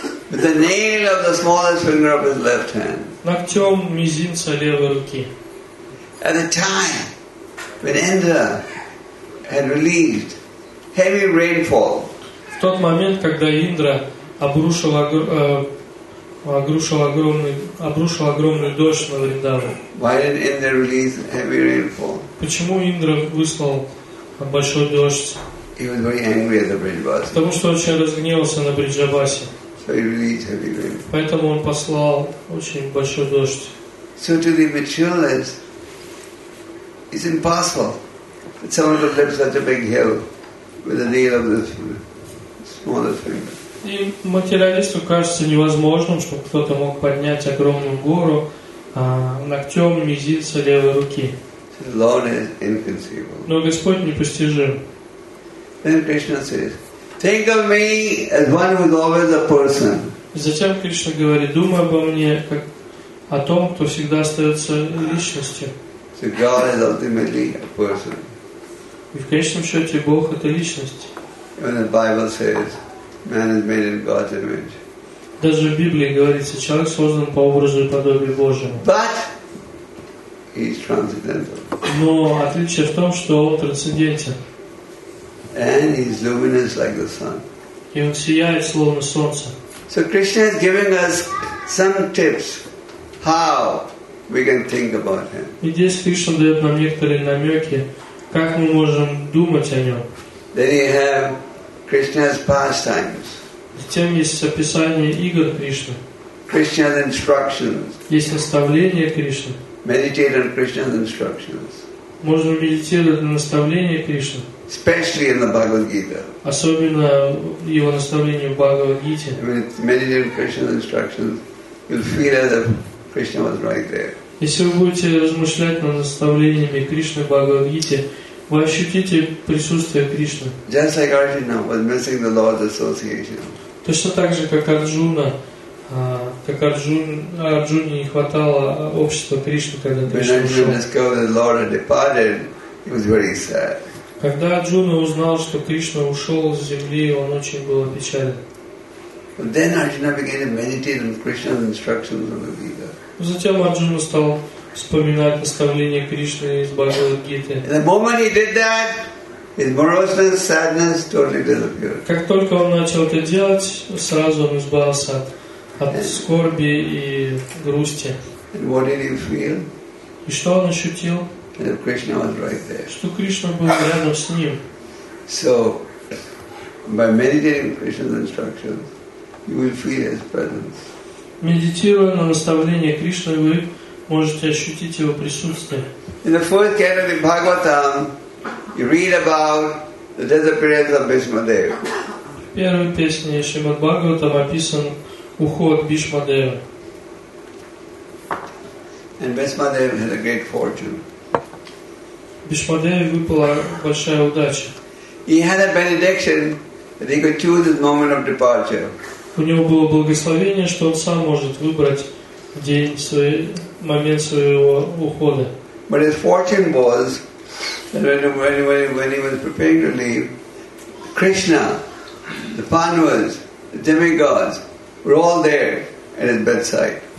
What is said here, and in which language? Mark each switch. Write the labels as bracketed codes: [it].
[en] With the nail of the smallest finger of his left hand. [ru] Ногтем мизинца левой руки. [en] At a time when Indra had released heavy rainfall. [ru] В тот момент, когда Индра обрушил огромный дождь на Вриндаву. [en] Why did Indra release heavy rainfall? [ru] Почему Индра выслал большой дождь? [en] He was very angry at the Бриджабасе. [ru] Потому что очень разгневался на Бриджабасе. [en] So he released heavy rainfall. [ru] Поэтому он послал очень большой дождь. [en] So to the materialist, it's impossible that someone could lift such a big hill with the nail of the smallest finger. [ru] И материалисту кажется невозможным, чтобы кто-то мог поднять огромную гору ногтем мизинца левой руки. [en] The Lord is inconceivable. [ru] Но Господь непостижим. [en] Then Krishna says, "Think of me as one who is always a person." [ru] Затем Кришна говорит: "Думай обо мне как о том, кто всегда остается личностью." [en] So God is ultimately a person. [ru] И в конечном счете Бог — это личность. [en] When the Bible says, "Man is made in God's image." [ru] Даже в Библии говорится: человек создан по образу и подобию Божьему. [en] But he is transcendental. [ru] Но отличие в том, что он трансцендентен. [en] And he is luminous like the sun. [ru] И он сияет словно солнце. [en] So Krishna is giving us some tips how we can think about him. [ru] И здесь Кришна дает нам некоторые намеки, как мы можем думать о нем. [en] Then you have Krishna's pastimes. [ru] Затем есть описание игр Кришны. [en] Krishna's instructions. [ru] Есть наставления Кришны. [en] Meditate on Krishna's instructions. [ru] Можно медитировать на наставления Кришны. [en] Especially in the Bhagavad Gita. [ru] Особенно его наставления в Бхагавад Гите. [en] Meditate on Krishna's instructions. You'll feel as if Krishna was right there. [ru] Если вы будете размышлять над наставлениями Кришны в Бхагавад Гите, вы ощутите присутствие Кришны. [en] Just like Arjuna was missing the Lord's association. [ru] Точно так же, как Арджуне не хватало общества Кришны, когда Кришна ушел. [en] When Arjuna discovered that the Lord had departed, he was very sad. [ru] Когда Арджуна узнал, что Кришна ушел с земли, он очень был опечален. [en] But then Arjuna began to meditate on Krishna's instructions from the Gita. [ru] Затем Арджуна стал вспоминать наставления Кришны из Бхагавад-гиты. [en] The moment he did that, His moroseness, sadness totally disappeared. [ru] Как только он начал это делать, сразу он избавился от скорби и грусти. [en] And what did he feel? [ru] И что он ощутил? [en] That Krishna was right there. [ru] Что Кришна был рядом с ним. [en] So, by meditating Krishna's instructions, you will feel His presence. [ru] Медитируя на наставление Кришны, вы можете ощутить Его присутствие. [en] In the first canto of Bhagavatam, you read about the disappearance of Bhishma Dev. [ru] В первой песне Шримад Бхагаватам описан уход Бхишма Дева. [en] And Bhishma Dev had a great fortune. [ru] Бхишма Деве выпала большая удача. [en] He had a benediction that he could choose his moment of departure. [ru] У него было благословение, что он сам может выбрать день, свой, момент своего ухода. [en] But his fortune was that when he was preparing to leave, Krishna, the Pandavas, the demigods were all there at his bedside.